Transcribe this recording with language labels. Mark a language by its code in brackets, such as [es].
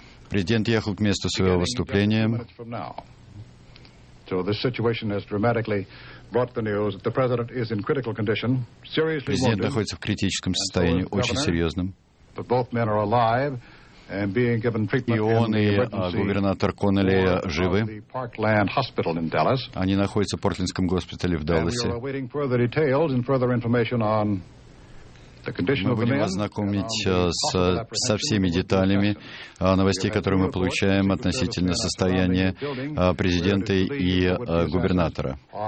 [ru] Президент ехал к месту своего выступления. [en] So this situation has dramatically brought the news that the president is in critical condition, seriously wounded. [ru] Президент находится в критическом состоянии, очень серьезном. [en] But both men are alive and being given treatment in the emergency. [ru] И он, и губернатор Коннелли живы. [en] Parkland Hospital in Dallas. [ru] Они находятся в Портлендском госпитале в Далласе. [en] And we are awaiting further details and further information on the condition of the men. [ru] Мы будем ознакомить со всеми деталями новостей, которые мы получаем относительно состояния президента и губернатора.